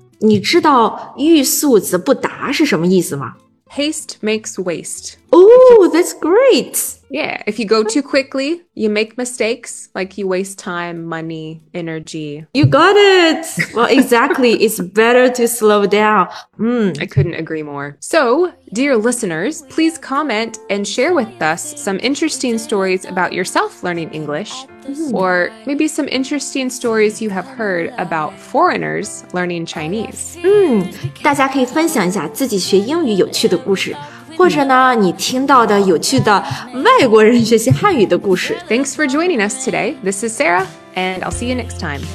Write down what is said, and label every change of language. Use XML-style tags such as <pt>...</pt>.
<zh>你知道欲速则不达是什么意思吗？</zh> <en>Haste makes waste. Oh, that's great. Yeah, if you go too quickly, you make mistakes, like you waste time, money, energy. You got it. Well, exactly. It's better to slow down. I couldn't agree more. So, dear listeners, please comment and share with us some interesting stories about yourself learning English, or maybe some interesting stories you have heard about foreigners learning Chinese.</en> <zh>大家可以分享一下自己学英语有趣的故事。或者呢，你听到的有趣的外国人学习汉语的故事。</zh> <en>Thanks for joining us today. This is Sarah, and I'll see you next time.</en>